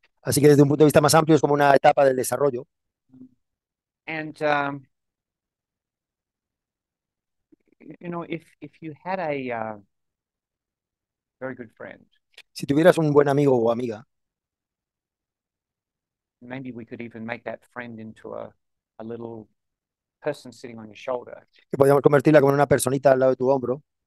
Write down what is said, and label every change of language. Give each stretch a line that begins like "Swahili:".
Spanish: Así que desde un punto de vista más amplio es como una etapa del desarrollo.
English: And you know, if you had a very good friend,
Spanish: Si tuvieras un buen amigo o amiga,
English: maybe we could even make that friend into a little person sitting on your shoulder.
Spanish: que podríamos convertirla como una personita al lado de tu hombro,